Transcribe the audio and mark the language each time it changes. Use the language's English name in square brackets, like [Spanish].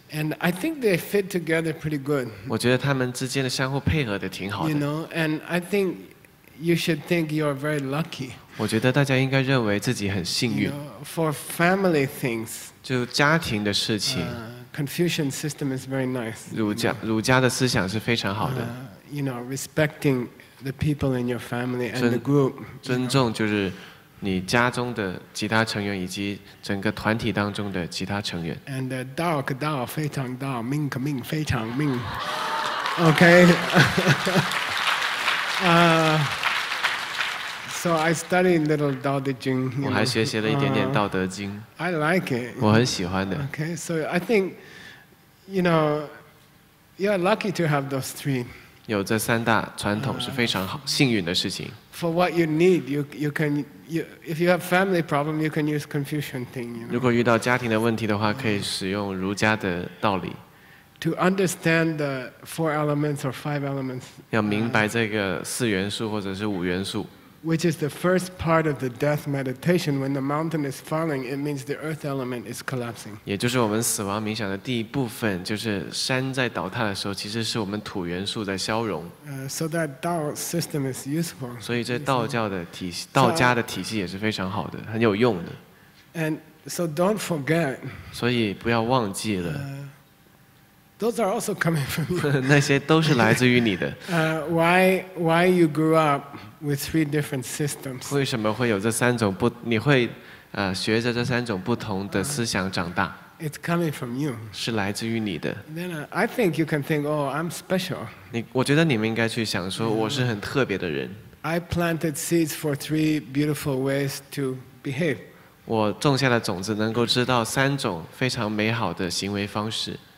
[English] And I think they fit together pretty good. [Chinese] 我觉得他们之间的相互配合的挺好的。 [English] You know, and I think you should think you are very lucky. [Chinese] 我觉得大家应该认为自己很幸运。 [English] You know, for family things. [Chinese] 就家庭的事情。 [English] Confucian system is very nice. [Chinese] 儒家的思想是非常好的。 [English] You know, respecting the people in your family and the group. [Chinese] 尊重就是。你家中的其他成员以及整个团体当中的其他成员。 And Dao Ke Dao, 非常 Dao, Ming Ke Ming, 非常 Ming. [English] OK. So I studied a little Dao De Jing. [Chinese] 我还学习了一点点道德经。 [English] I like it. [Chinese] 我很喜欢的。 [English] OK, so I think, you know, You are lucky to have those three. [Chinese] 有这三大传统是非常好幸运的事情。 [English] For what you need, you can if you have family problem, you can use Confucian thing. You know? [Chinese] 如果遇到家庭的问题的话，可以使用儒家的道理。 [English] To understand the four elements or five elements. [Chinese] 要明白这个四元素或者是五元素。 [English] Which is the first part of the death meditation when the mountain is falling, it means the earth element is collapsing. [Chinese] 也就是我们死亡冥想的第一部分，就是山在倒塌的时候，其实是我们土元素在消融。 [English] So that Tao system is useful. [Chinese] 所以这道教的体系，道家的体系也是非常好的，很有用的。 [English] And so don't forget. [Chinese] 所以不要忘记了。 [English] Those are also coming from you. [Chinese] 那些都是来自于你的。 [English] Why you grew up with three different systems? [Chinese] 为什么会有这三种不？你会学着这三种不同的思想长大。 [English] It's coming from you. [Chinese] 是来自于你的。 [English] Then I think you can think, oh, I'm special. [Chinese] 我觉得你们应该去想说，我是很特别的人。 [English] I planted seeds for three beautiful ways to behave. [Chinese] 我种下的种子能够知道三种非常美好的行为方式。